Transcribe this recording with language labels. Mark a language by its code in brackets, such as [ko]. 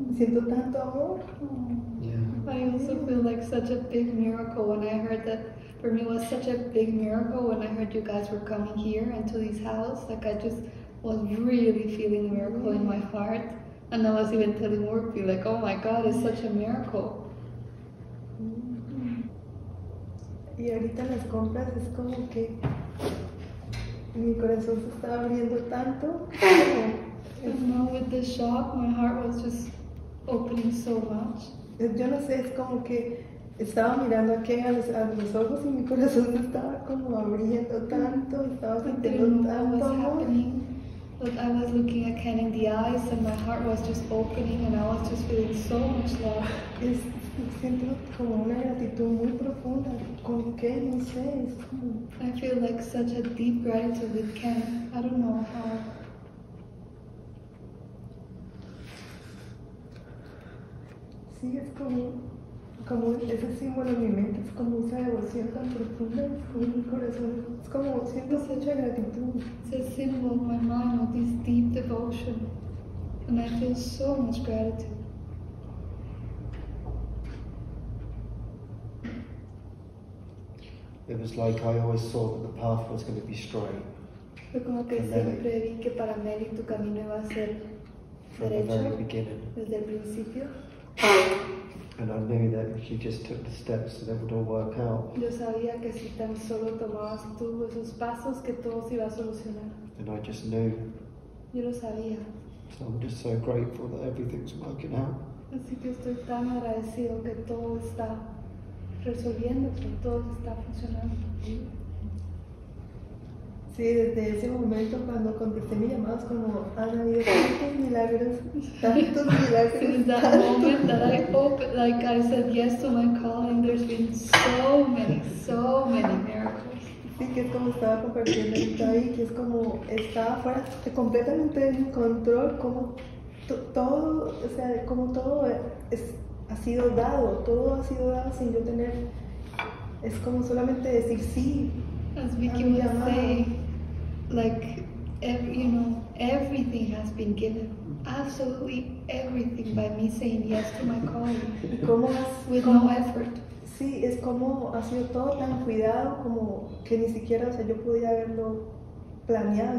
[en] I also feel like such a big miracle when I heard that. For me, it was such a big miracle when I heard you guys were coming here and to this house. Like, I just was really feeling a miracle in my heart. And I was even telling Murphy, like, oh my God, it's such a miracle. [es] Y ahorita las compras es como que mi corazón se está abriendo tanto. [en] And now with the shop, my heart was just opening so much. [es] Yo no sé, es como que estaba mirando aquí a los ojos y mi corazón estaba como abriendo tanto, estaba sintiendo tanto amor. [en] But I was looking at Ken in the eyes and my heart was just opening and I was just feeling so much love. [es] Es, siento como una gratitud muy profunda con Ken, no sé, es como... [en] I feel like such a deep gratitude with Ken. I don't know how. [es] Sí, es como, como ese símbolo en mi mente, es como esa devoción tan profunda en mi corazón. Es como siento mucha gratitud. [en] It's a symbol in my mind of this deep devotion. And I feel so much gratitude. It was like I always saw that the path was going to be straight. [es] Fue como que siempre vi que para Meli tu camino iba a ser derecho desde el principio. [en] And I knew that if you just took the steps, that it would all work out. [es] Yo sabía que si tan solo tomabas tú esos pasos, que todo se iba a solucionar. [en] And I just knew. [es] Yo lo sabía. [en] So I'm just so grateful that everything's working out. [es] Así que estoy tan agradecido que todo está resolviendo, que todo está funcionando. Sí, desde ese momento cuando contesté mi llamada es como han habido tantos milagros, tantos milagros. [en] Since that moment that I opened, like I said yes to my calling, there's been so many miracles. [es] Sí, que es como estaba compartiendo ahorita ahí, que es como estaba fuera de completamente en control, como todo, o sea, como todo es, ha sido dado, todo ha sido dado sin yo tener, es como solamente decir sí. [en] As Vicky would say, like, everything has been given, absolutely everything, by me saying yes to my calling, with no effort. [es] Sí, es como ha sido todo tan cuidado como que ni siquiera, o sea, yo podía haberlo planeado.